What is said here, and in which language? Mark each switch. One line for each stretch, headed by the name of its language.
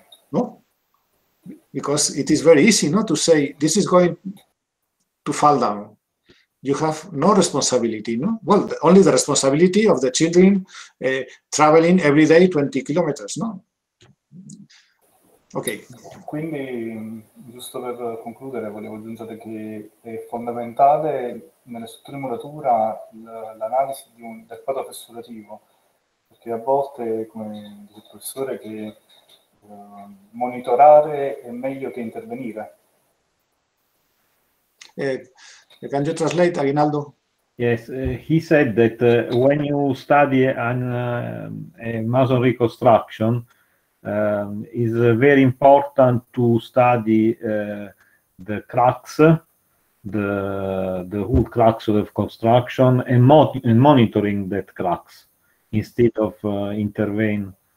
English: No, because it is very easy, no, to say this is going to fall down. You have no responsibility, no? Well, only the responsibility of the children traveling every day 20 kilometers, no? Ok.
Italian: Quindi, giusto per concludere, volevo aggiungere che è fondamentale nella sottolineatura l'analisi del quadro professorativo, perché a volte, come dice il professore, che monitorare è meglio che intervenire.
English: Can you translate, Aguinaldo? Yes, he said that when you study a masonry construction, is very important to study the cracks, the whole cracks of construction, and monitoring that cracks instead of intervene.